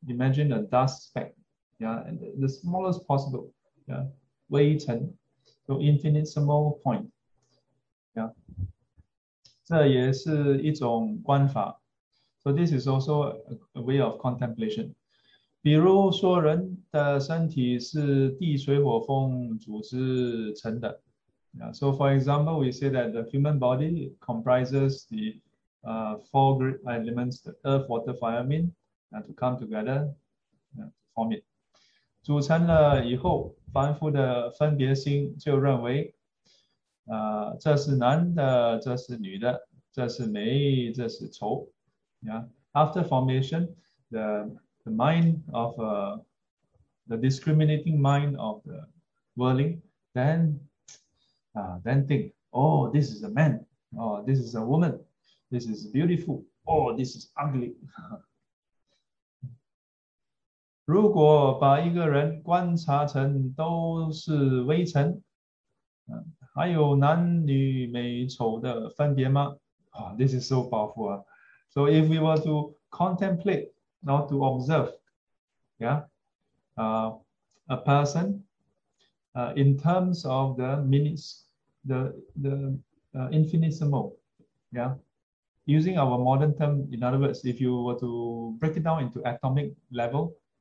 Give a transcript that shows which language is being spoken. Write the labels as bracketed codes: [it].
[en] Imagine a dust speck. And the smallest possible. Wei chen. So infinitesimal point. [zh] 这也是一种观法。 [en] So this is also a way of contemplation. [zh] 比如说，人的身体是地、水、火、风组织成的。 [en] So for example, we say that the human body comprises the four great elements, the earth, water, fire, wind, to come together, form it. [zh] 组成了以后，凡夫的分别心就认为，这是男的，这是女的，这是美，这是丑。 [en] After formation, the mind of the discriminating mind of the worldling then think, oh, this is a man, oh, this is a woman, this is beautiful, oh, this is ugly. [zh] 如果把一个人观察成都是微尘，还有男女美丑的分别吗？ [en] This is so powerful. So if we were to contemplate, not to observe, a person in terms of the minutes, the infinitesimal, using our modern term, in other words, if you were to break it down into atomic level,